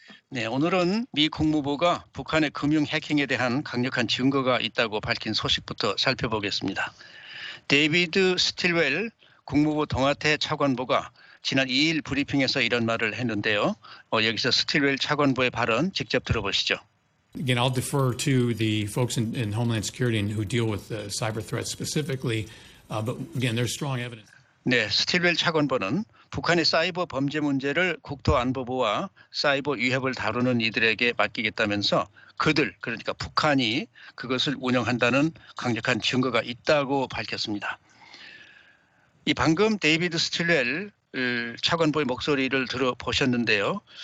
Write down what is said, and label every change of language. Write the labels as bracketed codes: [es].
[ko] 네, 오늘은 미 국무부가 북한의 금융 해킹에 대한 강력한 증거가 있다고 밝힌 소식부터 살펴보겠습니다. 데이비드 스틸웰 국무부 동아태 차관보가 지난 2일 브리핑에서 이런 말을 했는데요. 여기서 스틸웰 차관보의 발언 직접 들어보시죠. [en] Again, I'll defer to the folks in Homeland Security and who deal with the cyber threats specifically, but again, there's strong evidence. [ko] 네, 스틸웰 차관보는 북한의 사이버 범죄 문제를 국토안보부와 사이버 위협을 다루는 이들에게 맡기겠다면서 그들, 그러니까 북한이 그것을 운영한다는 강력한 증거가 있다고 밝혔습니다. 이 방금 데이비드 스틸웰 차관보의 목소리를 들어보셨는데요.